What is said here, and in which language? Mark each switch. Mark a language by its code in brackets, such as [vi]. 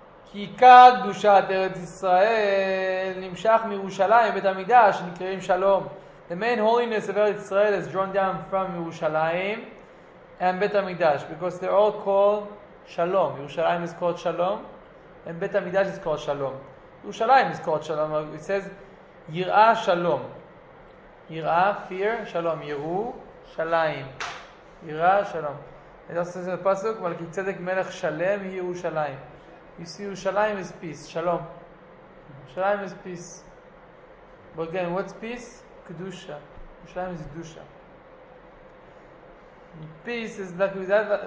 [he] כי עיקר קדושת ארץ ישראל נמשך מירושלים בית המקדש שנקראים שלום. [en] The main holiness of ארץ ישראל is drawn down from ירושלים and בית המקדש, because they're all called שלום. ירושלים is called שלום and בית המקדש is called שלום. ירושלים is called שלום. It says [he] יראה שלום, יראה fear, שלום ירושלים, יראה שלום. [en] It also says in the pasuk, [he] "Malki tzedek melech shalem hi Yerushalayim." [en] You see, Yerushalayim is peace, shalom. Yerushalayim is peace. But again, what's peace? Kedusha. Yerushalayim is kedusha. Peace is like that.